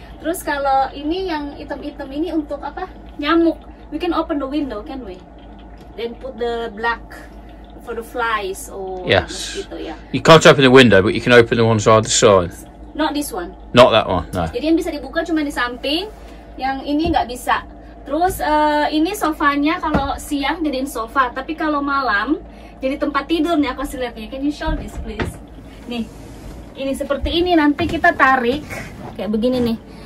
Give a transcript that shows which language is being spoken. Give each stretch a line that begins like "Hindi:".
Indonesian: Terus kalau ini yang item-item ini untuk apa?
English: Nyamuk. We can open the window, can we? Then put the black for the flies or yes, mosquito, yeah. You can't open the window, but you can open the ones on the side. Not this one. Not that one. No.
Indonesian: Jadi yang bisa dibuka cuma di samping, yang ini nggak bisa. Terus ini sofanya kalau siang jadiin sofa, tapi kalau malam jadi tempat tidur nih aku sih liatnya.
English: Can you show this please?
Indonesian: Nih, ini seperti ini, nanti kita tarik kayak begini nih.